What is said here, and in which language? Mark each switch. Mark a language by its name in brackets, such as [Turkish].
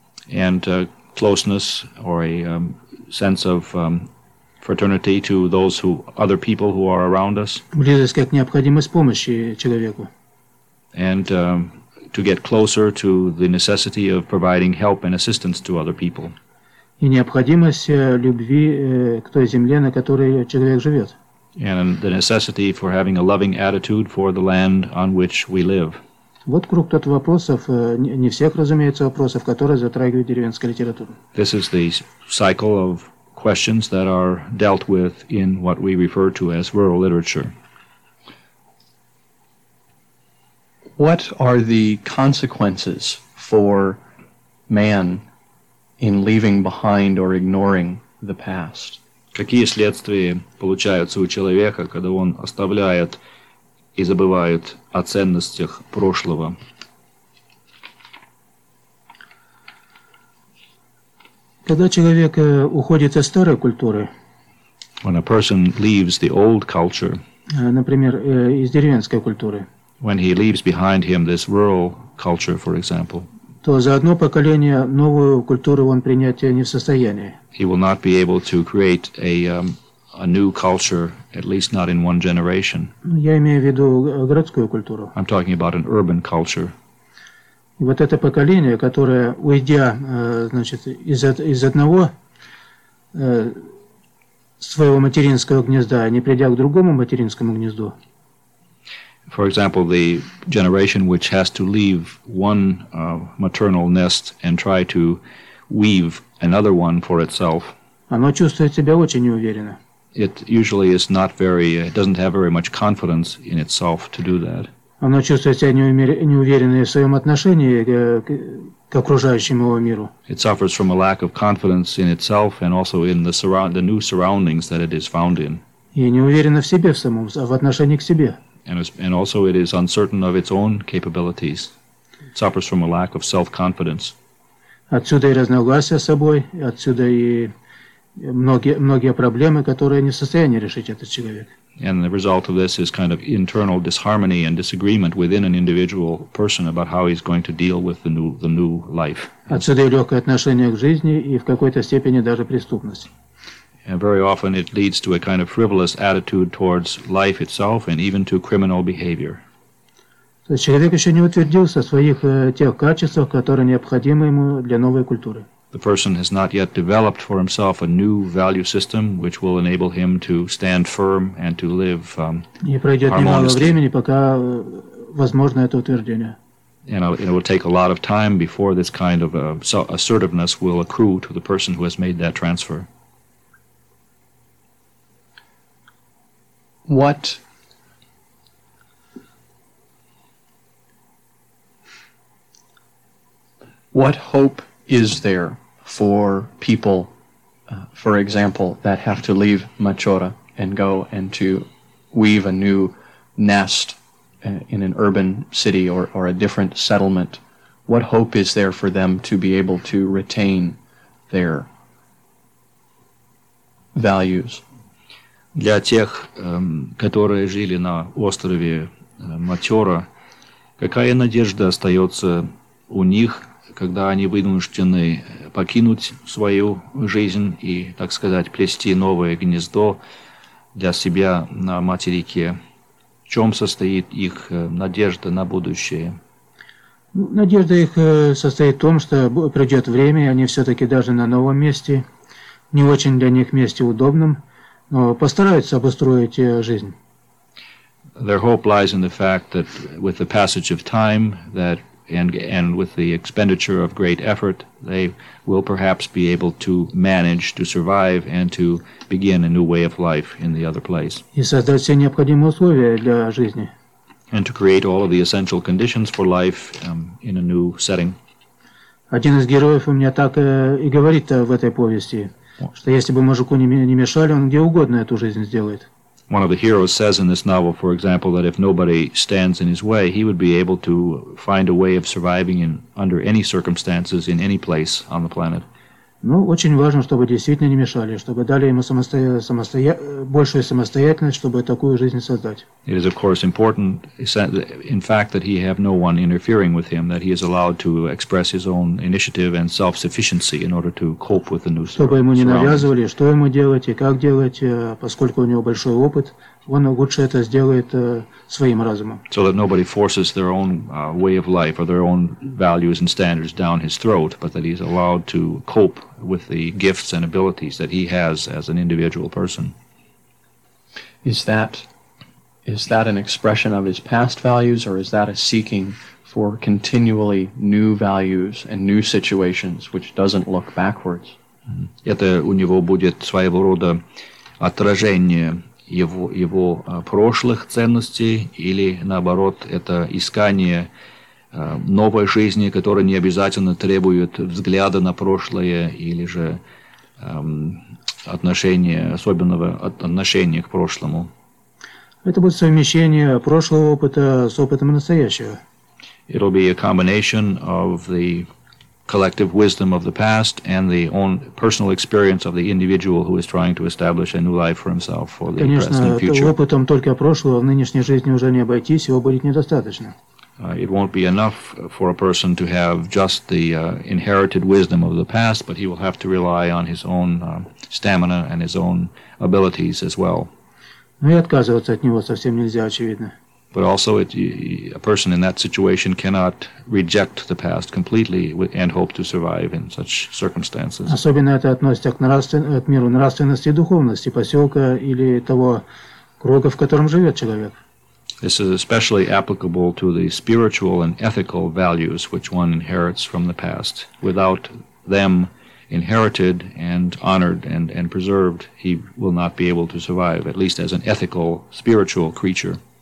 [English] And closeness or a sense of fraternity to those who other people who are around us. [Russian] Близость как необходимость помощи человеку. [English] And to get closer to the necessity of providing help and assistance to other people. [Russian] и необходимость любви к той земле, на которой человек живет. [English] And the necessity for having a loving attitude for the land on which we live. [Russian] Вот круг тот вопросов, не всех, разумеется, вопросов, которые затрагивает деревенская литература. [English] This is the cycle of questions that are dealt with in what we refer to as rural literature. What are the consequences for man in leaving behind or ignoring the past? [Russian] Какие следствия получаются у человека, когда он оставляет и забывает о ценностях прошлого? Когда человек уходит из старой культуры, [English] when a person leaves the old culture, [Russian] например, из деревенской культуры, [English] when he leaves behind him this rural culture, for example, [Russian] то за одно поколение новую культуру он принять не в состоянии. [English] He will not be able to create a new culture, at least not in one generation. [Russian] Я имею в виду городскую культуру. [English] I'm talking about an urban culture. [Russian] И вот это поколение, которое, уйдя, значит, из одного своего материнского гнезда, не придя к другому материнскому гнезду, [English] for example, the generation which has to leave one maternal nest and try to weave another one for itself, [Russian] оно чувствует себя очень неуверенно. [English] It usually is not very, it doesn't have very much confidence in itself to do that. [Russian] Оно чувствует себя неуверенно в своем отношении к окружающему его миру. [English] It suffers from a lack of confidence in itself and also in the new surroundings that it is found in. [Russian] И неуверенно в себе в самом, в отношении к себе. [English] And also it is uncertain of its own capabilities. It suffers from a lack of self-confidence. [Russian] Отсюда и разногласия с собой, отсюда и многие проблемы, которые не в состоянии решить этот человек. [English] And the result of this is kind of internal disharmony and disagreement within an individual person about how he's going to deal with the new life. [Russian] Отсюда и легкое отношение к жизни и в какой-то степени даже преступность. [English] And very often it leads to a kind of frivolous attitude towards life itself and even to criminal behavior. [Russian] То есть человек еще не утвердился в своих тех качествах, которые необходимы ему для новой культуры. [English] The person has not yet developed for himself a new value system which will enable him to stand firm and to live harmoniously. [Russian] И пройдет немало времени, пока возможно это утверждение. [English] And it will take a lot of time before this kind of assertiveness will accrue to the person who has made that transfer. What hope is there for people, for example, that have to leave Matyora and go and to weave a new nest in an urban city or a different settlement? What hope is there for them to be able to retain their values? [Russian] Для тех, которые жили на острове Матёра, какая надежда остается у них, когда они вынуждены покинуть свою жизнь и, так сказать, плести новое гнездо для себя на материке? В чем состоит их надежда на будущее? Надежда их состоит в том, что пройдет время, и они все-таки даже на новом месте, не очень для них месте удобном, но постараются обустроить жизнь. [English] Their hope lies in the fact that with the passage of time that and with the expenditure of great effort, they will perhaps be able to manage to survive and to begin a new way of life in the other place. [Russian] И создать все необходимые условия для жизни. [English] And to create all of the essential conditions for life in a new setting. [Russian] Один из героев у меня так и говорит в этой повести. Что если бы мужику не мешали, он где угодно эту жизнь сделает. [English] One of the heroes says in this novel, for example, that if nobody stands in his way, he would be able to find a way of surviving in under any circumstances in any place on the planet. [Russian] Ну, очень важно, чтобы действительно не мешали, чтобы дали ему большую самостоятельность, чтобы такую жизнь создать. [English] It is, of course, important, in fact, that he have no one interfering with him, that he is allowed to express his own initiative and self-sufficiency in order to cope with the new surroundings. [Russian] Чтобы ему не навязывали, что ему делать и как делать, поскольку у него большой опыт, он лучше это сделает своим разумом. [English] So that nobody forces their own way of life or their own values and standards down his throat, but that he's allowed to cope with the gifts and abilities that he has as an individual person. Is that an expression of his past values, or is that a seeking for continually new values and new situations which doesn't look backwards? [Russian] Это у него будет своего рода отражение его прошлых ценностей, или наоборот, это искание новой жизни, которая не обязательно требует взгляда на прошлое или же отношения, особенного отношения к прошлому. Это будет совмещение прошлого опыта с опытом настоящего. [English] It'll be a combination of the collective wisdom of the past and the own personal experience of the individual who is trying to establish a new life for himself for the present and future. [Russian] Опытом только прошлого в нынешней жизни уже не обойтись, его будет недостаточно. [English] It won't be enough for a person to have just the inherited wisdom of the past, but he will have to rely on his own stamina and his own abilities as well. [Russian] Но и отказываться от него совсем нельзя, очевидно. [English] But also, a person in that situation cannot reject the past completely and hope to survive in such circumstances. [Russian] Особенно это относится к миру нравственности и духовности поселка или того круга, в котором живет человек. [English] This is especially applicable to the spiritual and ethical values which one inherits from the past. Without them inherited and honored and preserved, he will not be able to survive, at least as an ethical, spiritual creature.